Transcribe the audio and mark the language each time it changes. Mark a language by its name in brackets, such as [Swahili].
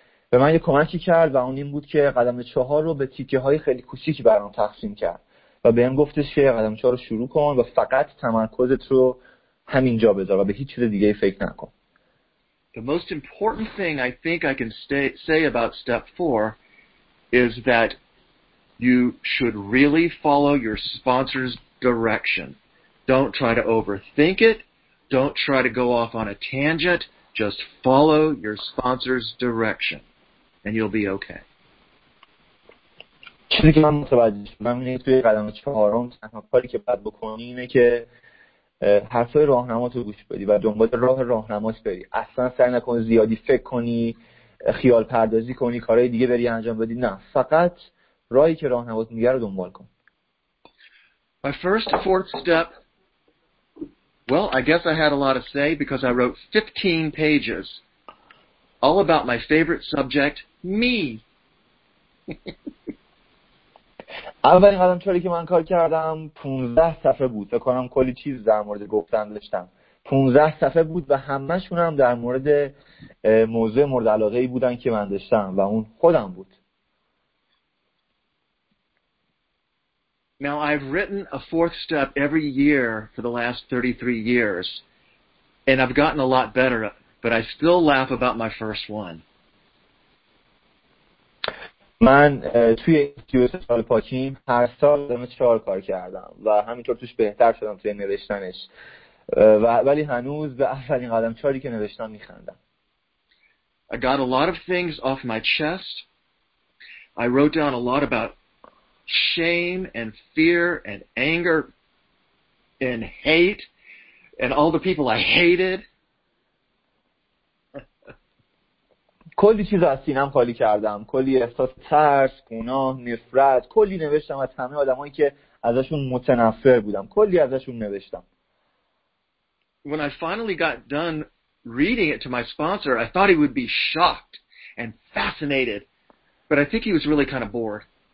[Persian] به من یک کمکی کرد و اون این بود که قدم 4 رو به تیکه های خیلی کوچیکی برام تقسیم کرد و بهم گفتش که قدم 4 رو شروع کن و فقط تمرکزت رو همین جا بذار و به هیچ چیز دیگه فکر نکن. [English] The most important thing I think I can say about step 4 is that you should really follow your sponsor's direction. Don't try to overthink it. Don't try to go off on a tangent. Just follow your sponsor's direction and you'll be okay. [Persian] چیزی که من متوجه شدم اینه که توی قدم 4 تنها کاری که باید بکنی اینه که حرفای راهنمات رو گوش بدی و دنبال راه راهنمات بری. اصلا سعی نکن زیادی فکر کنی، خیال پردازی کنی، کارهای دیگه بری انجام بدی. نه، فقط راهی که راهنمات میگه رو دنبال کن. [English] My first to fourth step. Well, I guess I had a lot of say because I wrote 15 pages all about my favorite subject, me. [Persian] اولین قدم چوری که من کار کردم 15 صفحه بود. فکر کنم کلی چیز در مورد گفتن داشتم. 15 صفحه بود و همه‌شون هم در مورد موضوع مورد علاقه‌ای بودن که من داشتم و اون خودم بود. [English] Now I've written a fourth step every year for the last 33 years and I've gotten a lot better, but I still laugh about my first one. [Persian] من توی سال پاکیم هر سال قدم 4 کار کردم و همینطور توش بهتر شدم توی نوشتنش، ولی هنوز به اولین قدم 4ی که نوشتم میخندم. [English] I got a lot of things off my chest. I wrote down a lot about shame and fear and anger and hate and all the people I hated. [Persian] کلی چیز از سینم خالی کردم، کلی احساس ترس، گناه، نفرت، کلی نوشتم از همه آدمایی که ازشون متنفر بودم، کلی ازشون نوشتم. [English] When I finally got done reading it to my sponsor, I thought he would be shocked and fascinated, but I think he was really kind of bored.